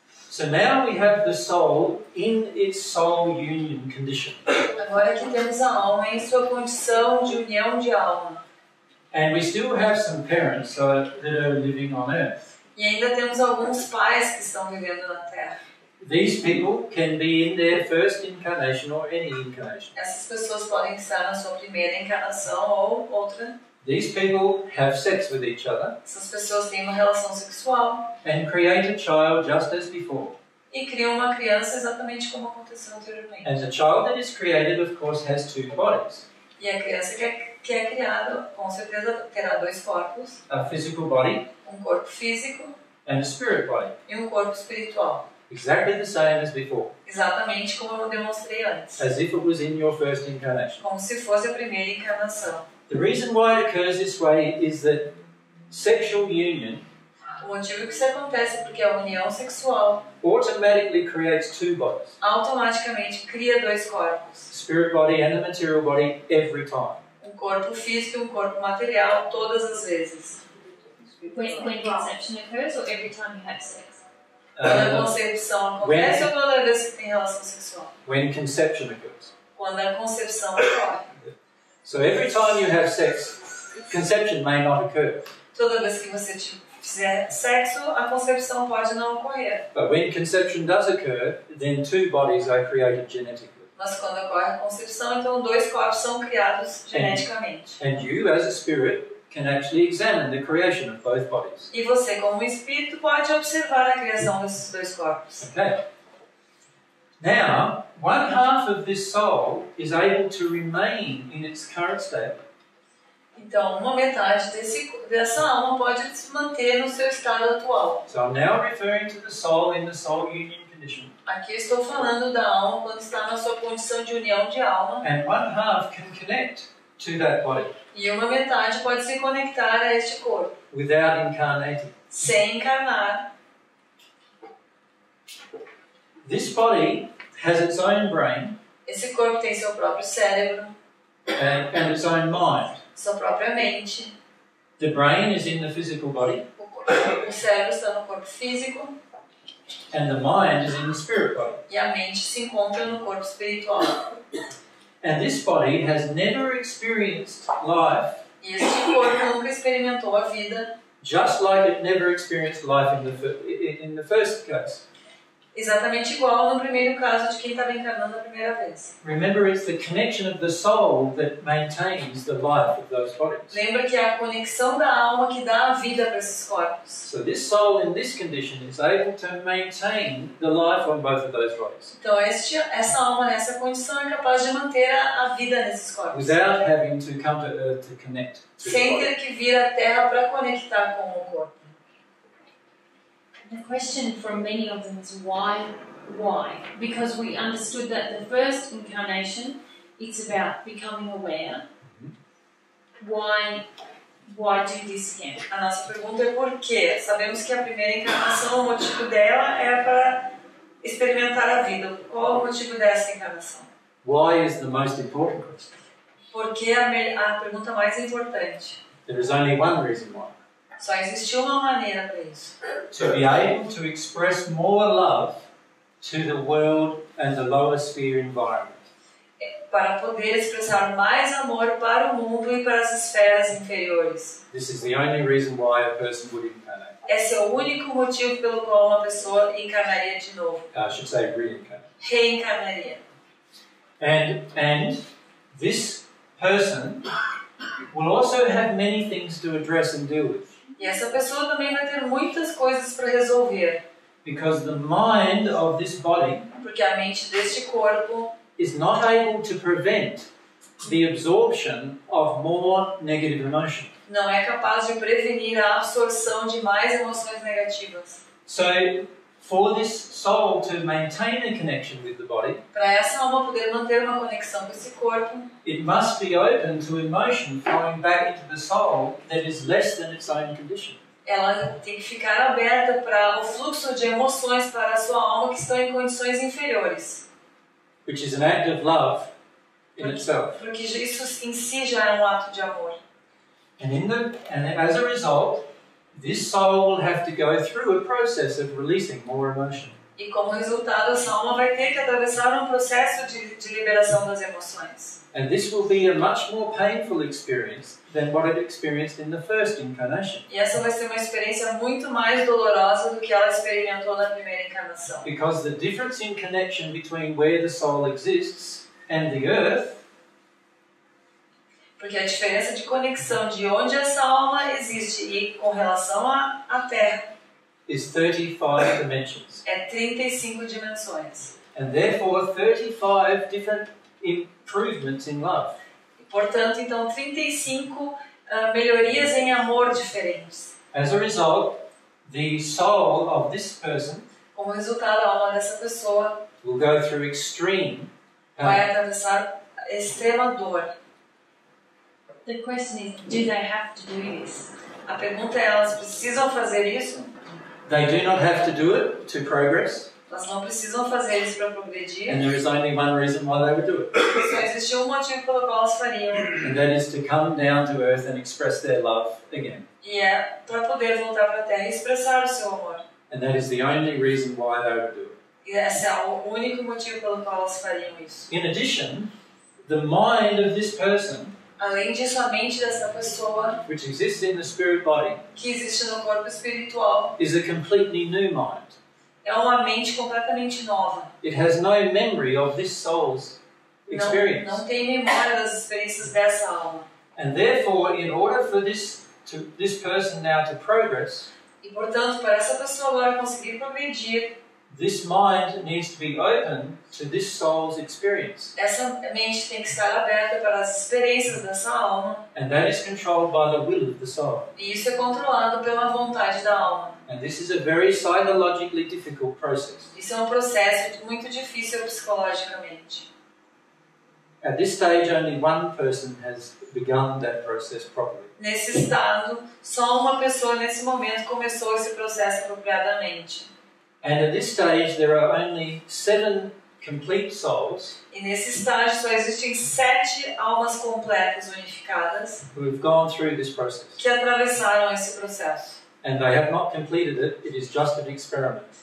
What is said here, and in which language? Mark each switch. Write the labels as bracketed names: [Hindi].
[English] So now we have the soul in its soul union condition. [Portuguese] Agora que temos a alma em sua condição de união de alma. [English] And we still have some parents that are living on earth. [Portuguese] E ainda temos alguns pais que estão vivendo na Terra. [English] These people can be in their first incarnation or any incarnation. [Portuguese] Essas pessoas podem estar na sua primeira encarnação ou outra. [English] These people have sex with each other. [Portuguese] Essas pessoas têm uma relação sexual. [English] And create a child just as before. [Portuguese] E criam uma criança exatamente como aconteceu anteriormente. [English] And the child that is created, of course, has two bodies. [Portuguese] E a criança que é criada, com certeza, terá dois corpos. [English] A physical body. [Portuguese] Um corpo físico. [English] And a spirit body. [Portuguese] E um corpo espiritual. [English] Exactly the same as before. [Portuguese] Exatamente como eu demonstrei antes. [English] As if it was in your first incarnation. [Portuguese] Como se fosse a primeira encarnação. [English] The reason why it occurs this way is that sexual union, [Portuguese] o antigo que se acontece porque é a união sexual, [English] automatically creates two bodies. [Portuguese] Automaticamente cria dois corpos. [English] Spirit body and the material body every time. [Portuguese] Um corpo físico e um corpo material todas as vezes. [English] When conception occurs or every time you have sex? [Portuguese] Quando a concepção acontece ou toda vez que tem relação sexual? [English] When conception occurs. [Portuguese] Quando a concepção ocorre. [English] So every time you have sex, conception may not occur. [Portuguese] Toda vez que você fizer sexo, a concepção pode não ocorrer. [English] But when conception does occur, then two bodies are created genetically. [Portuguese] Mas quando ocorre a concepção, então dois corpos são criados geneticamente. [English] And you, as a spirit, can actually examine the creation of both bodies. [Portuguese] E você, como espírito, pode observar a criação desses dois corpos. [English] Okay. Now, one half of this soul is able to remain in its current state. [Portuguese] Então, uma metade dessa alma pode se manter no seu estado atual. [English] So I'm now referring to the soul in the soul union condition. [Portuguese] Aqui estou falando da alma quando está na sua condição de união de alma. [English] And one half can connect to that body. [Portuguese] E uma metade pode se conectar a este corpo. [English] Without incarnating. [Portuguese] Sem encarnar. [English] This body has its own brain. [Portuguese] Esse corpo tem seu próprio cérebro. [English] And its own mind. [Portuguese] Sua própria mente. [English] The brain is in the physical body. [Portuguese] O cérebro está no corpo físico. [English] And the mind is in the spirit body. [Portuguese] E a mente se encontra no corpo espiritual. [English] And this body has never experienced life. [Portuguese] E esse corpo nunca experimentou a vida. [English] Just like it never experienced life in the first case. [Portuguese] Exatamente igual no primeiro caso de quem estava encarnando a primeira vez. [English] Remember, it's the connection of the soul that maintains the life of those bodies. [Portuguese] Lembra que é a conexão da alma que dá a vida para esses corpos. [English] So this soul in this condition is able to maintain the life on both of those bodies. [Portuguese] Então essa alma nessa condição é capaz de manter a vida nesses corpos. [English] Without having to come to earth to connect to the body. [Portuguese] Sem ter que vir à Terra para conectar com o corpo. [English] The question from many of them is why? Because we understood that the first incarnation, it's about becoming aware. Mm-hmm. Why do this again? [Portuguese] A nossa pergunta é por quê? Sabemos que a primeira encarnação, o motivo dela é para experimentar a vida. Qual o motivo dessa encarnação? [English] Why is the most important question? [Portuguese] Por que a pergunta mais importante? [English] There is only one reason why. [Portuguese] Só existe uma maneira para isso. [English] To be able to express more love to the world and the lower sphere environment. [Portuguese] Para poder expressar mais amor para o mundo e para as esferas inferiores. [English] This is the only reason why a person would incarnate. [Portuguese] Esse é o único motivo pelo qual uma pessoa encarnaria de novo. [English] I should say reincarnate. [Portuguese] Reencarnaria. [English] And this person will also have many things to address and deal with. [Portuguese] E essa pessoa também vai ter muitas coisas para resolver. [English] Because the mind of this body, [Portuguese] porque a mente deste corpo, [English] is not able to prevent the absorption of more negative emotion. [Portuguese] Não é capaz de prevenir a absorção de mais emoções negativas. [English] So, for this soul to maintain a connection with the body, [Portuguese] para essa alma poder manter uma conexão com esse corpo, [English] it must be open to emotion flowing back into the soul that is less than its own condition. [Portuguese] Ela tem que ficar aberta para o fluxo de emoções para a sua alma que estão em condições inferiores. [English] Which is an act of love in itself. [Portuguese] Porque isso em si já é um ato de amor. [English] And as a result, this soul will have to go through a process of releasing more emotion. [Portuguese] E como resultado, essa alma vai ter que atravessar um processo de liberação das emoções. [English] And this will be a much more painful experience than what it experienced in the first incarnation. [Portuguese] E essa vai ser uma experiência muito mais dolorosa do que ela experimentou na primeira encarnação. [English] Because the difference in connection between where the soul exists and the earth. [Portuguese] Porque a diferença de conexão de onde essa alma existe e com relação à Terra [English] is 35 dimensions. [Portuguese] É 35 dimensões. [English] And therefore 35 different improvements in love. [Portuguese] E, portanto, então 35 melhorias em amor diferentes. [English] As a result, the soul of this person, [Portuguese] como resultado, a alma dessa pessoa [English] will go through extreme pain. [Portuguese] Vai atravessar extrema dor. [English] The question is, do they have to do this? [Portuguese] A pergunta é, elas precisam fazer isso? [English] They do not have to do it to progress. [Portuguese] Elas não precisam fazer isso para progredir. [English] And there is only one reason why they would do it. [Portuguese] Só existe um motivo pelo qual elas fariam. [English] And that is to come down to earth and express their love again. [Portuguese] E é para poder voltar para a Terra e expressar o seu amor. [English] And that is the only reason why they would do it. [Portuguese] E esse é o único motivo pelo qual elas fariam isso. [English] In addition, the mind of this person, [Portuguese] além disso, a mente dessa pessoa, [English] which exists in the spirit body, [Portuguese] que existe no corpo espiritual, [English] is a completely new mind. [Portuguese] É uma mente completamente nova. [English] It has no memory of this soul's experience. [Portuguese] Não tem memória das experiências dessa alma. [English] And therefore, in order for this person now to progress, [Portuguese] e portanto, para essa pessoa agora conseguir progredir, [English] this mind needs to be open to this soul's experience. [Portuguese] Essa mente tem que estar aberta para as experiências dessa alma. [English] And that is controlled by the will of the soul. [Portuguese] E isso é controlado pela vontade da alma. [English] And this is a very psychologically difficult process. [Portuguese] Isso é um processo muito difícil psicologicamente. [English] At this stage, only one person has begun that process properly. [Portuguese] Nesse estado, só uma pessoa nesse momento começou esse processo apropriadamente. [English] And at this stage, there are only 7 complete souls. [Portuguese] E nesse estágio só existem 7 almas completas unificadas. [English] Who have gone through this process. [Portuguese] Que atravessaram esse processo. [English] And they have not completed it. It is just an experiment.